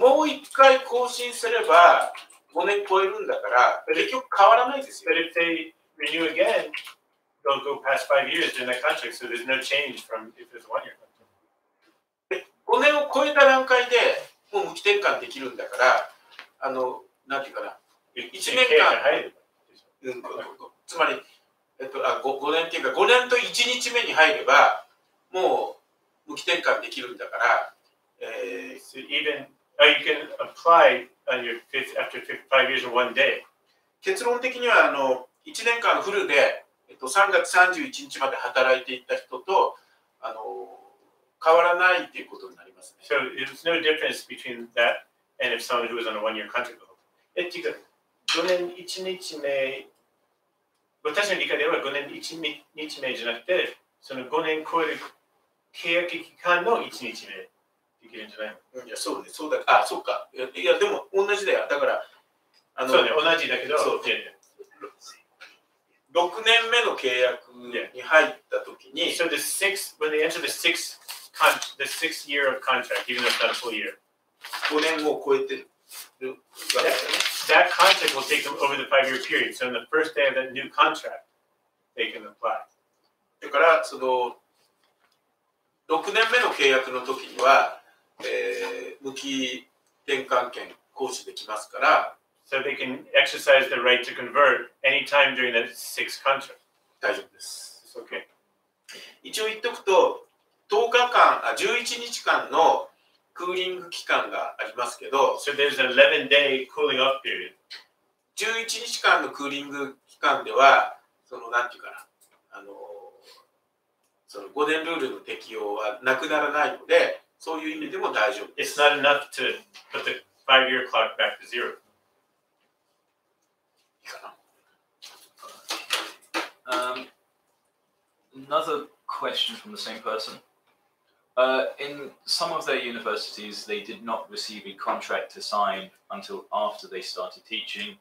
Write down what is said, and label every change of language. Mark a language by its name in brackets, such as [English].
[Japanese] もう1回更新すれば、5年超えるんだから、結局変わらないですよ。 [English] But if they renew again, they'll go past 5 years in that contract, so there's no change from if it's a one-year contract. [Japanese] 5年を超えた段階でもう無期転換できるんだから、あの、なんていうかな、1年間、うん、つまり、5年っていうか、5年と1日目に入れば、もう無期転換できるんだから、 [English] So even, you can apply on your fifth, after five years or one day. [Japanese] 結論的には、あの、1年間フルで、3月31日まで働いていた人と、あの、変わらないっていうことになりますね。 [English] So there's no difference between that and if someone who was on a one-year contract will. [Japanese] え、っていうか、5年1日目、私の理解では5年1日目じゃなくて、その5年超える契約期間の1日目できるんじゃないの？いや、そうね、そうだ、あ、そうか。いや、でも同じだよ。だから、あの、そうね、同じだけど、そう、ね、 6年目の契約に入ったときに、 [English] yeah. So the sixth, when they enter the sixth, the sixth year of contract, even if not a full year. [Japanese] 5年を超えてる。 [English] That contract will take them over the five-year period. So on the first day of that new contract, they can apply. [Japanese] だから、その、6年目の契約のときには、無期転換権行使できますから、 [English] So they can exercise the right to convert any time during that sixth contract. [Japanese] 大丈夫です。 [English] It's okay. [Japanese] 一応言っておくと、10日間、あ、11日間のクーリング期間がありますけど、 [English] So there's an 11-day cooling off period. [Japanese] 11日間のクーリング期間では、その、なんていうかな、あの、その5年ルールの適用はなくならないので、そういう意味でも大丈夫です。 [English] It's not enough to put the five-year clock back to zero. Another question from the same person. In some of their universities, they did not receive a contract to sign until after they started teaching.